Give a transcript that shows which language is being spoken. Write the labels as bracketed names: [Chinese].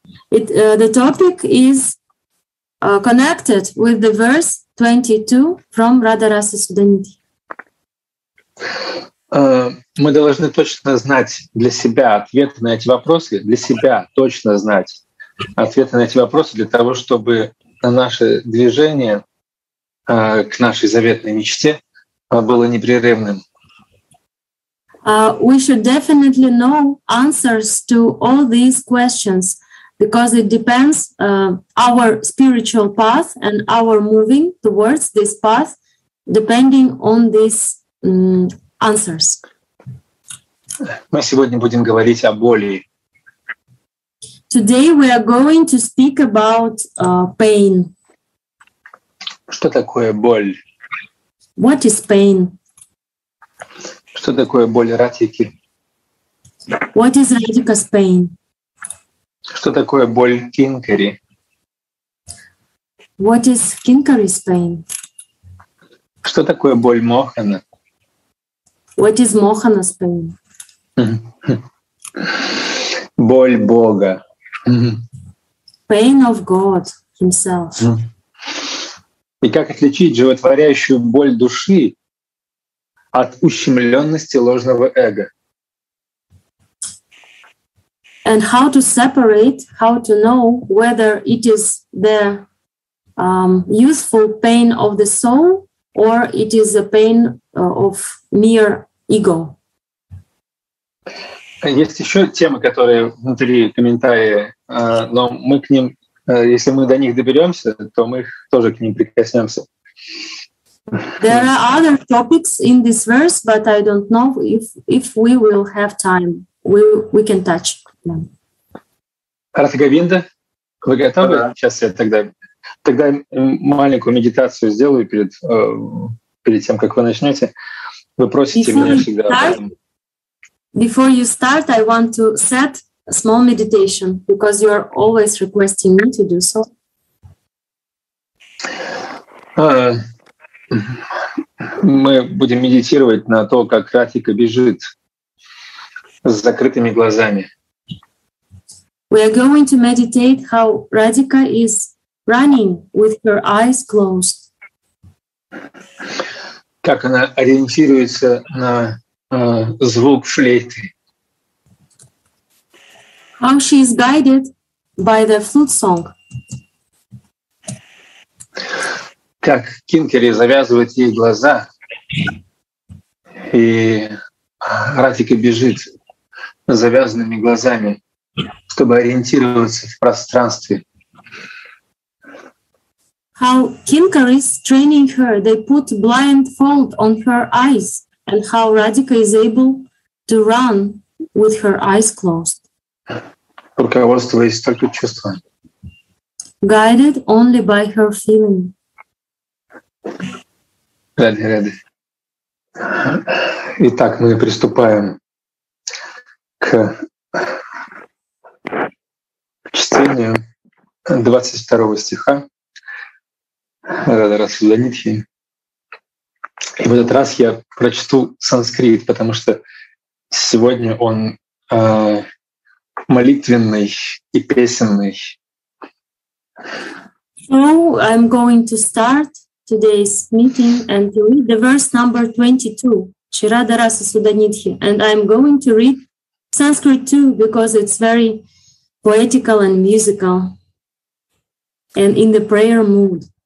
[English] It the topic is connected with the verse 22 from Radharasa Sudhaniti. [Russian] Мы должны точно знать для себя ответы на эти вопросы, для себя точно знать ответы на эти вопросы для того, чтобы наше движение к нашей заветной мечте было непрерывным. [English] We should definitely know answers to all these questions because it depends our spiritual path and our moving towards this path depending on these answers. [Russian] Мы сегодня будем говорить о боли. [English] Today we are going to speak about pain. [Russian] Что такое боль? [English] What is pain? [Russian] Что такое боль Радхики? [English] What is Radhika's pain? [Russian] Что такое боль Кинкари? [English] What is Kinkari's pain? [Russian] Что такое боль Мохана? [English] What is Mohana's pain? [Russian] Боль Бога. [English] Pain of God himself. [Russian] И как отличить животворящую боль души от ущемленности ложного эго? [English] And how to separate, how to know whether it is the useful pain of the soul or it is a pain of mere ego? [Russian] Есть еще темы, которые внутри комментария, но мы к ним, если мы до них доберемся, то мы тоже к ним прикоснемся. [English] There are other topics in this verse, but I don't know if we will have time. We can touch them. [Russian] Радха Говинда, вы готовы? Uh-huh. Сейчас я тогда маленькую медитацию сделаю перед тем, как вы начнете. Вы просите [English] Before [Russian] меня всегда. [English] Before you start, I want to set a small meditation because you are always requesting me to do so. [Russian] Мы будем медитировать на то, как Радхика бежит с закрытыми глазами. [English] We are going to meditate how Radhika is running with her eyes closed. [Russian] Как она ориентируется на звук флейты. [English] How she is guided by the flute song. [Russian] Как Кинкари завязывает ей глаза, и Радхика бежит с завязанными глазами, чтобы ориентироваться в пространстве. [English] How Kinkari is training her, they put blindfold on her eyes. And how Radhika is able to run with her eyes closed. [Russian] Руководствуясь только чувством. [English] Guided only by her feeling. [Russian] Ради. Итак, мы приступаем к чтению 22 стиха Радхарасы Судханидхи. И в этот раз я прочту санскрит, потому что сегодня он молитвенный и песенный. [English] So I'm going to start today's meeting and to read the verse number 22, Shiradharasa Sudhanidhi. And I'm going to read Sanskrit too, because it's very poetical and musical and in the prayer mood.